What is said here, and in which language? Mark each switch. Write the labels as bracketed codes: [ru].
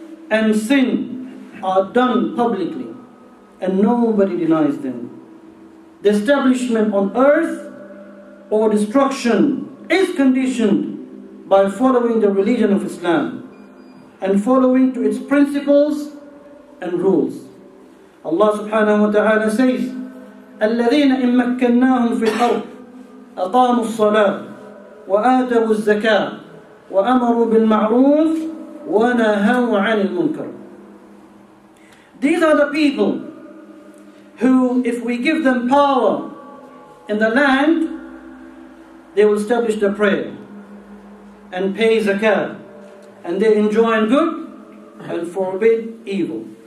[en] and sin are done publicly and nobody denies them. The establishment on earth or destruction is conditioned by following the religion of Islam and following to its principles and rules. [ar] Allah subhanahu wa ta'ala says, الَّذِينَ إِن مَكَّنَّاهُمْ فِي الْأَرْضِ أَقَامُوا الصَّلَاةِ وَآتَوُوا الزَّكَاةِ وَأَمَرُوا بِالْمَعْرُوفِ وَنَهَوْا عَنِ الْمُنْكَرِ. [en] These are the people who, if we give them power in the land, they will establish the prayer and pay zakat, and they enjoin good and forbid evil.